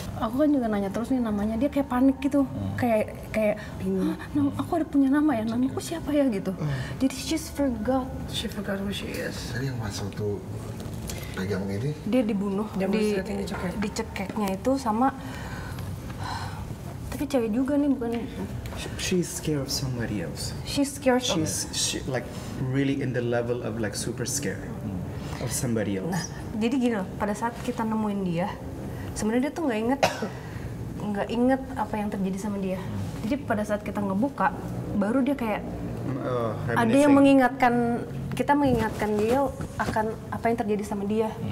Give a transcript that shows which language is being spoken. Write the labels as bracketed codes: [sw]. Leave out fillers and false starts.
[id] Aku kan juga nanya terus nih namanya, dia kayak panik gitu, kayak aku ada punya nama ya, namaku siapa ya gitu. Jadi [en] she forgot who she is. [id] Jadi yang masuk tuh pegang ini? Dia dibunuh, dicekeknya itu sama, tapi cewek juga nih, bukan. [en] She's scared of somebody else. She's scared. She's like really in the level of like super scared of somebody else. [id] Nah, jadi gini loh, pada saat kita nemuin dia, sebenarnya dia tuh nggak inget apa yang terjadi sama dia. Jadi pada saat kita ngebuka, baru dia kayak ada yang mengingatkan kita, mengingatkan dia akan apa yang terjadi sama dia.